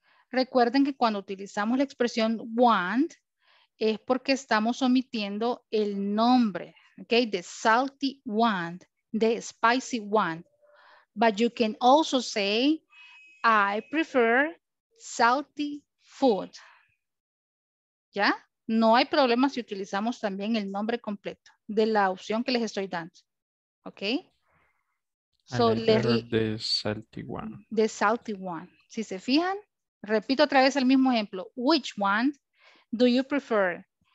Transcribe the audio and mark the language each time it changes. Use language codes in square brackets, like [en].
[es] Recuerden que cuando utilizamos la expresión want, es porque estamos omitiendo el nombre, ¿ok? [en] The salty want, the spicy want. But you can also say, I prefer salty food. [es] ¿Ya? No hay problema si utilizamos también el nombre completo de la opción que les estoy dando. ¿Ok? [en] So, the salty one. The salty one. [es] Si se fijan, repito otra vez el mismo ejemplo. [en] Which one do you prefer?